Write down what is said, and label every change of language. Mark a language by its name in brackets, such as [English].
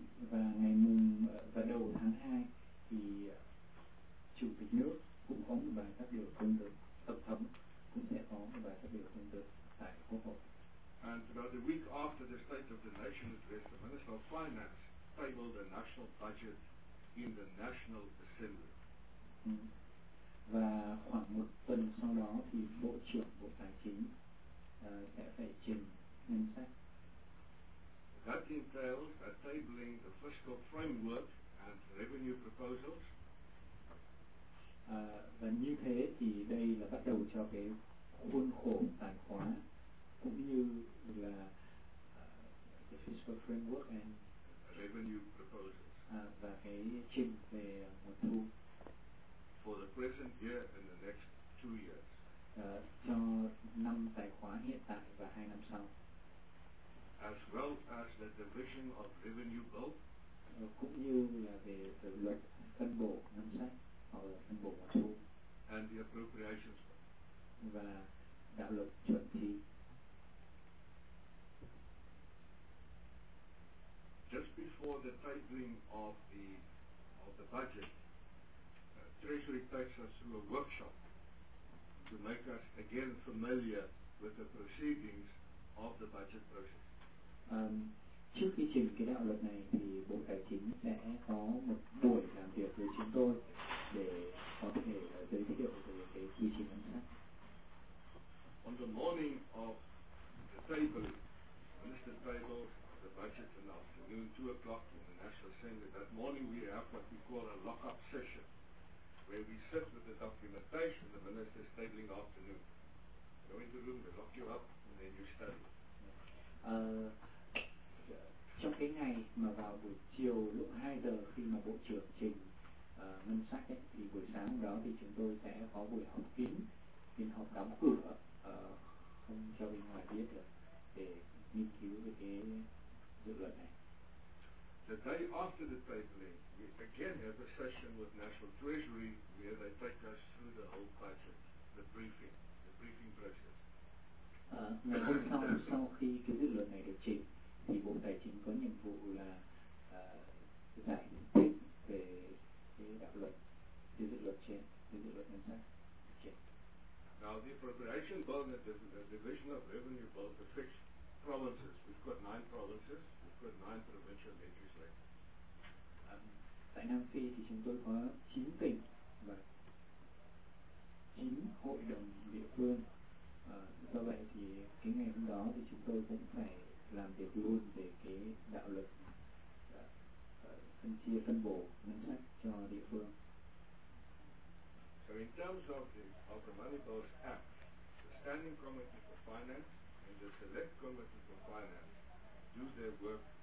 [Vietnamese] Và ngày mùng và đầu tháng 2 thì chủ tịch nước cũng có một bài phát biểu tương tự, tổng thống cũng sẽ có một bài phát biểu tương tự tại Quốc hội. [English] And about a week after the state of the nation address, the Minister of Finance tabled the national budget in the National Assembly. [Vietnamese] Và khoảng một tuần sau đó thì Bộ trưởng Bộ Tài chính sẽ phải trình ngân sách. [English] That entails a tabling the fiscal framework and revenue proposals. [Vietnamese] Và như thế thì đây là bắt đầu cho cái khuôn khổ tài khoá cũng như là [English] the fiscal framework and revenue proposals. [Vietnamese] Và cái trình về nguồn thu [English] for the present year and the next 2 years. [Vietnamese] Cho năm tài khoá hiện tại và 2 năm sau. [English] As well as the division of revenue bill. [Vietnamese] Cũng như là về the luật phân bổ ngân sách hoặc là phân bổ nguồn thu. [English] And the appropriations bill. [Vietnamese] Và đạo luật chuẩn thi. [English] Just before the tabling of the budget, Treasury takes us through a workshop to make us again familiar with the proceedings of the budget process. [Vietnamese] Trước khi trình cái đạo luật này thì Bộ Tài chính sẽ có một buổi làm việc với chúng tôi để có thể giới thiệu về cái quy trình ngân sách. [English] On the morning of the table, Minister tables the budget in the afternoon, 2 o'clock in the National Assembly. That morning we have what we call a lock-up session, where we sit with the documentation, the minister's tabling afternoon. Go into the room, they lock you up, and then you study. [Vietnamese] Trong cái ngày mà vào buổi chiều lúc 2 giờ khi mà Bộ trưởng trình ngân sách ấy, thì buổi sáng đó thì chúng tôi sẽ có buổi học kín, phiên học đóng cửa, không cho bên ngoài biết được, để nghiên cứu về cái dự luật này. [English] The day after the tabling, we again have a session with National Treasury where they take us through the whole budget, the briefing process. [Vietnamese] Ngày hôm sau, sau khi cái dự luật này được trình, thì Bộ Tài chính có nhiệm vụ là giải thích về cái đạo luật, cái dự luật trên, cái dự luật ngân sách trên. [English] Now the appropriation bill and the division of revenue bill are fixed. Provinces. We've got 9 provinces. We've got 9 provincial legislatures. [Vietnamese] Tại Nam Phi thì chúng tôi có 9 tỉnh và 9 hội đồng địa phương. Do vậy thì cái ngày hôm đó thì chúng tôi cũng phải làm việc luôn về cái đạo luật phân chia phân bổ ngân sách cho địa phương. [English] So in terms of the Money Bills Act, the Standing Committee for Finance and the Select Committee for Finance do their work